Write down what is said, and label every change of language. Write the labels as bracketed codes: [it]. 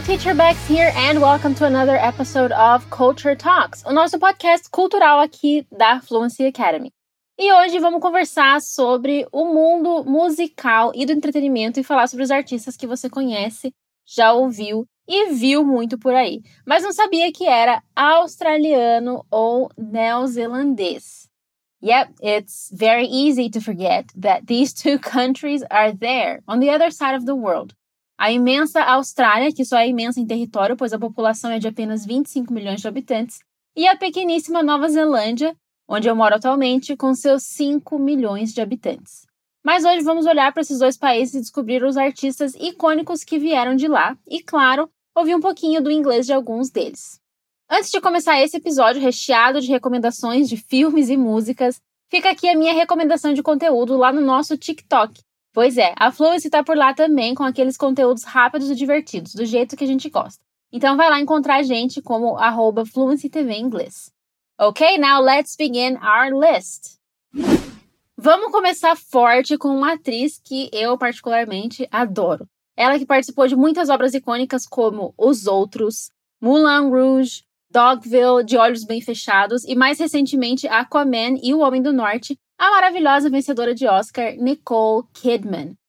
[en] Teacher Bex here and welcome to another episode of Culture Talks, [pt] o nosso podcast cultural aqui da Fluency Academy. E hoje vamos conversar sobre o mundo musical e do entretenimento e falar sobre os artistas que você conhece, já ouviu e viu muito por aí, mas não sabia que era australiano ou neozelandês. [en] Yep, it's very easy to forget that these two countries are there, on the other side of the world. [pt] A imensa Austrália, que só é imensa em território, pois a população é de apenas 25 milhões de habitantes, e a pequeníssima Nova Zelândia, onde eu moro atualmente, com seus 5 milhões de habitantes. Mas hoje vamos olhar para esses dois países e descobrir os artistas icônicos que vieram de lá e, claro, ouvir um pouquinho do inglês de alguns deles. Antes de começar esse episódio recheado de recomendações de filmes e músicas, fica aqui a minha recomendação de conteúdo lá no nosso TikTok. Pois é, a Fluency está por lá também com aqueles conteúdos rápidos e divertidos, do jeito que a gente gosta. Então vai lá encontrar a gente como @FluencyTV em inglês. [en] Ok, now let's begin our list. [pt] Vamos começar forte com uma atriz que eu particularmente adoro. Ela que participou de muitas obras icônicas como Os Outros, Moulin Rouge, Dogville, De Olhos Bem Fechados e mais recentemente Aquaman e O Homem do Norte, a maravilhosa vencedora de Oscar, Nicole Kidman.